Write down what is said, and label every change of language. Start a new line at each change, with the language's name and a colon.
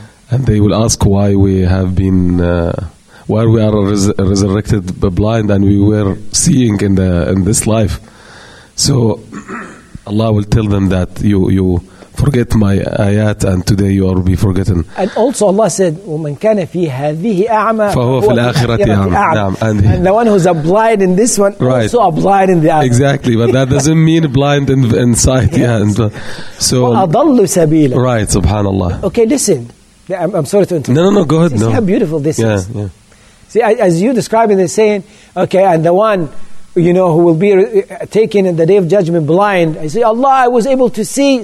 English: And they will ask why we have been, why we are resurrected blind and we were seeing in this life. So Allah will tell them that you forget my ayat and today you are be forgotten. And also Allah said,
Arabic: وَمَنْ كَانَ فِي هَذِهِ أَعْمَى فَهُوَ فِي الْآخِرَةِ أَعْمَى.
English: And the one who's a blind in this one, right, also a blind in the other. Exactly, but that doesn't mean blind in sight. Yes. Yeah. So
Arabic: وَأَضَلُّ سَبِيلًا.
English: Right, subhanAllah. Okay, listen. I'm sorry to interrupt. No, go ahead. See, no. See how beautiful this is. See, as you describe it, they're saying, okay, and the one, who will be taken in the day of judgment blind, I say, Allah, I was able to see.